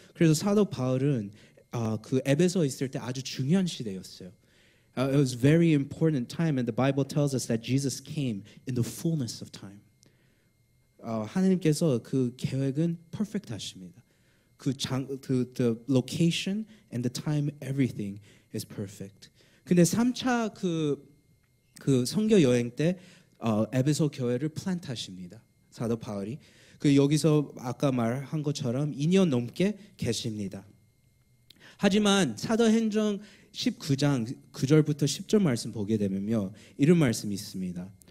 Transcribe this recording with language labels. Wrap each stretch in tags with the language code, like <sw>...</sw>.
<ko>그래서 사도 바울은 그 에베소 있을 때 아주 중요한 시대였어요.</ko> <en>It was very important time, and the Bible tells us that Jesus came in the fullness of time.</en> <ko>하나님께서 그 계획은 퍼펙트하십니다.</ko> <en>그 장, the location and the time, everything is perfect.</en> <ko>근데 3차 그 선교 여행 때 에베소 교회를 플랜트하십니다. 사도 바울이 그 여기서 아까 말한 것처럼 2년 넘게 계십니다. 하지만 사도행전 19장 9절부터 10절 말씀 보게 되면요, 이런 말씀이 있습니다.</ko>